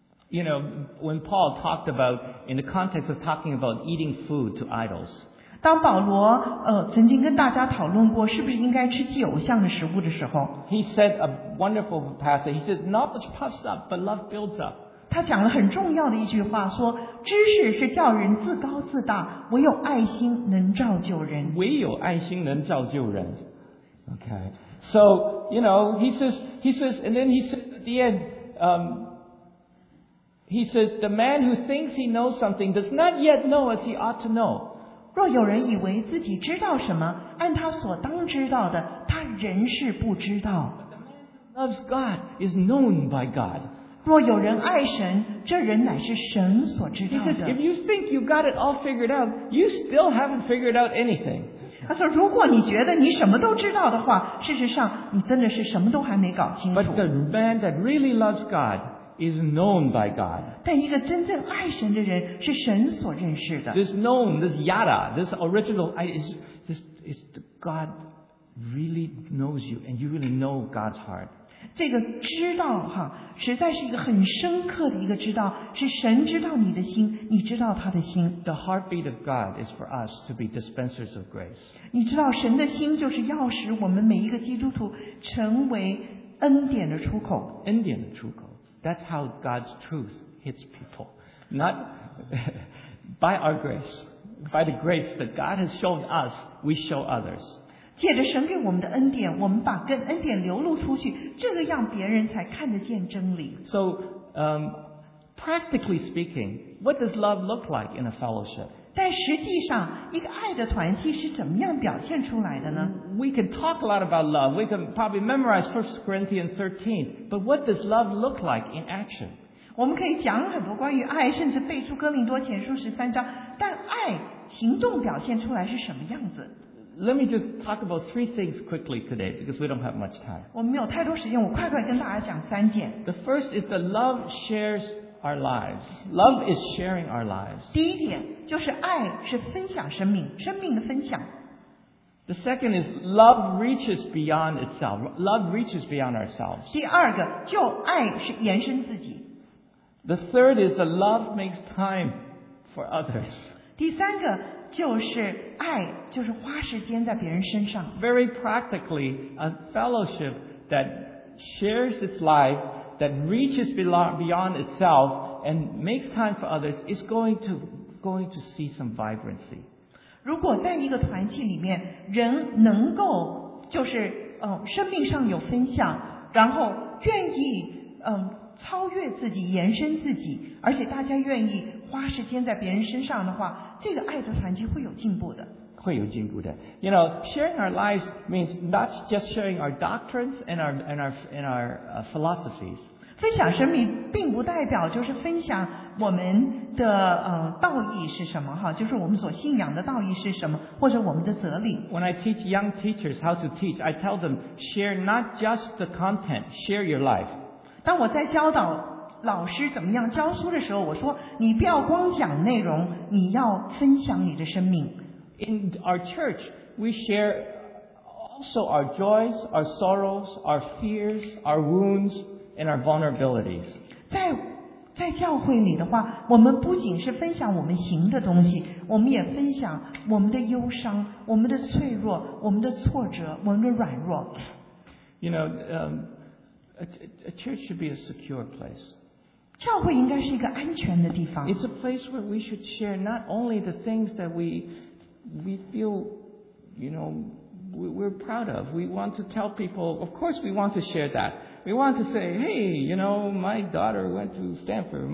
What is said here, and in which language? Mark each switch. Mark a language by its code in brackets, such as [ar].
[en] You know, when Paul talked about, in the context of talking about eating food to idols, [zh] 当保罗曾经跟大家讨论过是不是应该吃祭偶像的食物的时候， [en] he said a wonderful passage. He said, "Knowledge puffs up, but love builds up." [zh] 他讲了很重要的一句话，说知识是叫人自高自大，唯有爱心能造就人。唯有爱心能造就人。Okay. [en] So, you know, he says, and then he says at the end, he says, the man who thinks he knows something does not yet know as he ought to know. [zh] 若有人以为自己知道什么，按他所当知道的，他仍是不知道。 [en] But the man loves God is known by God. [zh] 若有人爱神，这人乃是神所知道的。 [en] He said, if you think you got it all figured out, you still haven't figured out anything. [zh] 他说，如果你觉得你什么都知道的话，事实上你真的是什么都还没搞清楚。 [en] But the man that really loves God is known by God. [zh] 但一个真正爱神的人是神所认识的。 [en] This known, this yada, this original, is God really knows you and you really know God's heart. [zh] 这个知道哈，实在是一个很深刻的一个知道，是神知道你的心，你知道他的心。 [en] The heartbeat of God is for us to be dispensers of grace. [zh] 你知道神的心就是要使我们每一个基督徒成为恩典的出口。恩典的出口。 [en] That's how God's truth hits people. Not by our grace. By the grace that God has shown us, we show others. [zh] 借着神给我们的恩典，我们把跟恩典流露出去，这个让别人才看得见真理。 [en] So, practically speaking, what does love look like in a fellowship? [zh] 但实际上，一个爱的团契是怎么样表现出来的呢？ [en] We can talk a lot about love. We can probably memorize 1 Corinthians 13. But what does love look like in action? [zh] 我们可以讲很多关于爱，甚至背出哥林多前书十三章。但爱行动表现出来是什么样子？ [en] Let me just talk about three things quickly today, because we don't have much time. [zh] 我们没有太多时间，我快快跟大家讲三件。 [en] The first is that love shares our lives. Love is sharing our lives. [zh] 第一点就是爱是分享生命，生命的分享。 [en] The second is love reaches beyond itself. Love reaches beyond ourselves. [zh] 第二个，就爱是延伸自己。 [en] The third is that love makes time for others. [zh] 第三个，就是爱，就是花时间在别人身上。 [en] Very practically, a fellowship that shares its life, that reaches beyond itself, and makes time for others is going to see some vibrancy. [zh] 如果在一个团契里面，人能够就是生命上有分享，然后愿意超越自己，延伸自己，而且大家愿意花时间在别人身上的话，这个爱的团契会有进步的。会有进步的。 [en] You know, sharing our lives means not just sharing our doctrines and our philosophies. [zh] 分享生命并不代表就是分享我们的道义是什么哈，就是我们所信仰的道义是什么，或者我们的哲理。 [en] When I teach young teachers how to teach, I tell them share not just the content, share your life. [zh] 当我在教导老师怎么样教书的时候，我说你不要光讲内容，你要分享你的生命。 [en] In our church, we share also our joys, our sorrows, our fears, our wounds, and our vulnerabilities. [zh] 在教会里的话，我们不仅是分享我们行的东西，我们也分享我们的忧伤，我们的脆弱，我们的挫折，我们的软弱。 [en] You know, a church should be a secure place. [zh] 教会应该是一个安全的地方。 [en] It's a place where we should share not only the things that we feel, you know, we're proud of. We want to tell people, of course we want to share that. We want to say, hey, you know, my daughter went to Stanford.